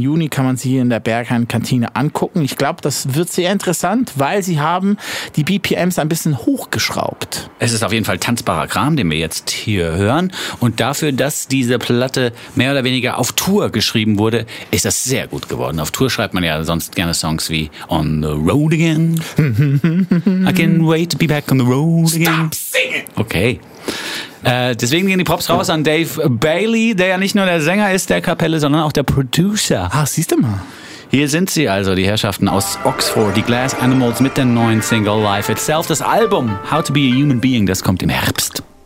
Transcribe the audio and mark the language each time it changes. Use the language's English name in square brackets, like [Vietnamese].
[German] Juni kann man sie hier in der Berghain-Kantine angucken. Ich glaube, das wird sehr interessant, weil sie haben die BPMs ein bisschen hochgeschraubt. Es ist auf jeden Fall tanzbarer Kram, den wir jetzt hier hören. Und dafür, dass diese Platte mehr oder weniger auf Tour geschrieben wurde, ist das sehr gut geworden. Auf Tour schreibt man ja sonst gerne Songs wie On the Road Again. [English] I can't wait to be back on the road again. Stop singing! Okay. [German] Deswegen gehen die Props raus an Dave Bailey, der ja nicht nur der Sänger ist der Kapelle, sondern auch der Producer. Ah, siehst du mal. Hier sind sie also, die Herrschaften aus Oxford, die Glass Animals mit der neuen Single Life Itself. Das Album How to Be a Human Being, das kommt im Herbst.